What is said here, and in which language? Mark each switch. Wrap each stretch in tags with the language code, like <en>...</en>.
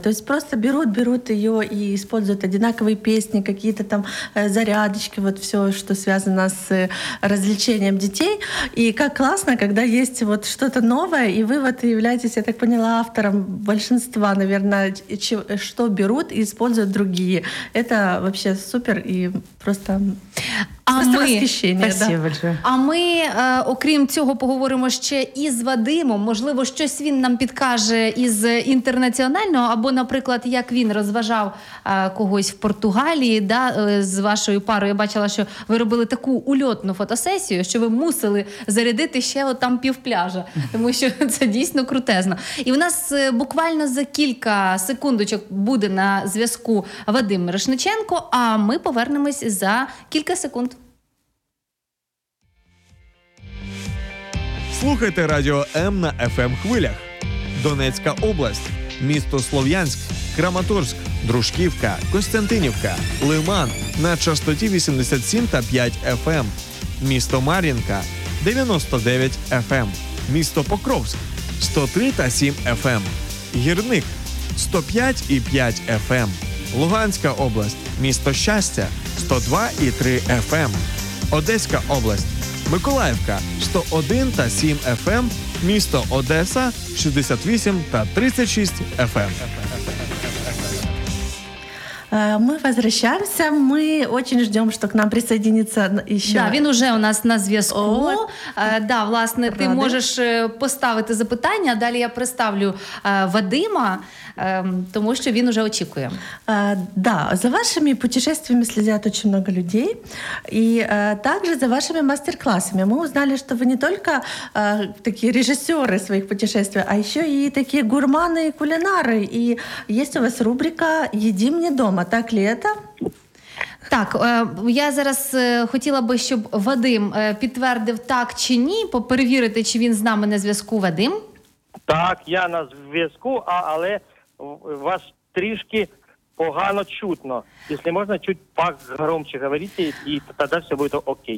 <ru>То есть просто берут ее и используют одинаковые песни, какие-то там зарядочки, вот все, что связано с развлечением детей. И как классно, когда есть вот что-то новое, и вы вот являетесь, я так поняла, автором большинства, наверное, что берут и используют другие. Это вообще супер и просто... А</ru> <uk>ми, окрім цього, поговоримо ще і з Вадимом. Можливо, щось він нам підкаже із інтернаціонального, або, наприклад, як він розважав когось в Португалії, да, з вашою парою. Я бачила, що ви робили таку ульотну фотосесію, що ви мусили зарядити ще от там півпляжа, тому що це дійсно крутезно. І в нас буквально за кілька секундочок буде на зв'язку Вадим Мирошниченко, а ми повернемось за кілька секунд. Слухайте радіо М на FM-хвилях. Донецька область, місто Слов'янськ, Краматорськ, Дружківка, Костянтинівка, Лиман на частоті 87,5 FM. Місто Мар'їнка 99 FM. Місто Покровськ 103,7 FM. Гірник 105,5 FM. Луганська область, місто Щастя 102,3 FM. Одеська область, Миколаївка 101,7 FM, місто Одеса 68,36 FM.</uk> <ru>Мы возвращаемся, мы очень ждем, что к нам присоединится еще.</ru> <uk>Да, він уже у нас на зв'язку. Да, власне, ти можеш поставити запитання, далі я представлю Вадима, тому що він уже очікує.</uk> <ru>Да, за вашими путешествиями следят очень много людей, и также за вашими мастер-классами. Мы узнали, что вы не только такие режиссеры своих путешествий, а еще и такие гурманы и кулинары. И есть у вас рубрика «Їди мені дома». А так ли это?</ru> <uk>Так, я зараз хотіла би, щоб Вадим підтвердив так чи ні, поперевірити, чи він з нами на зв'язку. Вадим? Так, я на зв'язку, але вас трішки погано чутно. Якщо можна,</uk> <ru>чуть погромче</ru> <uk>говорити, і тоді все буде окей.</uk>